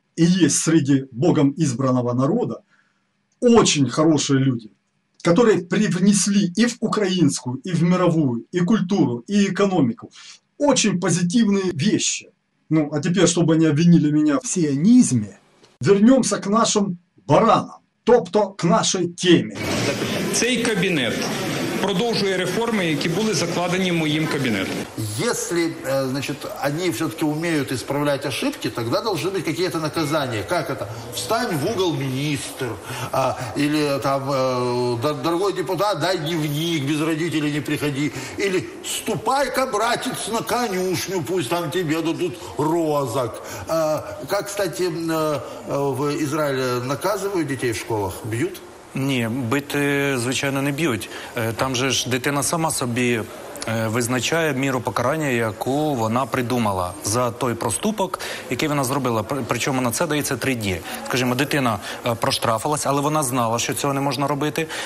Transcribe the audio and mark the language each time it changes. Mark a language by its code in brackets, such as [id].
[ru] И есть среди богом избранного народа очень хорошие люди, которые привнесли и в украинскую, и в мировую, и культуру, и экономику очень позитивные вещи. Ну, а теперь, чтобы не обвинили меня в сионизме, вернемся к нашим баранам, тобто к нашей теме. [uk] Цей кабинет продовжує реформи, які були закладені моїм кабінетом. [ru] Если, значит, они все-таки умеют исправлять ошибки, тогда должны быть какие-то наказания. Как это? Встань в угол, министр. Или там, дорогой депутат, дай дневник, без родителей не приходи. Или ступай-ка, братец, на конюшню, пусть там тебе дадут розок. Как, кстати, в Израиле наказывают детей в школах? Бьют? [uk] Ні, бити, звичайно, не б'ють. Там же ж дитина сама собі визначає міру покарання, яку вона придумала за той проступок, який вона зробила. Причому на це дається 3 дні. Скажімо, дитина проштрафилась, але вона знала, що цього не можна робити.